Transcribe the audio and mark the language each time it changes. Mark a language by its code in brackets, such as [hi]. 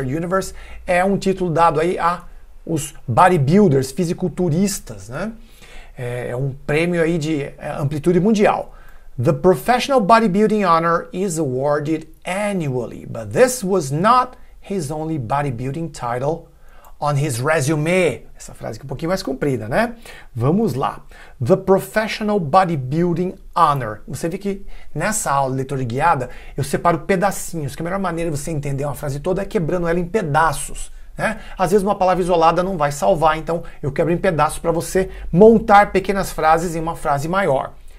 [pt] Universe, é um título dado aí a os bodybuilders, fisiculturistas, né? É um prêmio aí de amplitude mundial. [en] The professional bodybuilding honor is awarded annually, but this was not his only bodybuilding title on his resume. [pt] Essa frase aqui é um pouquinho mais comprida, né? Vamos lá. [en] The professional bodybuilding honor. [pt] Você vê que nessa aula de leitura guiada, eu separo pedacinhos, que a melhor maneira de você entender uma frase toda é quebrando ela em pedaços. Né? Às vezes uma palavra isolada não vai salvar, então eu quebro em pedaços para você montar pequenas frases em uma frase maior.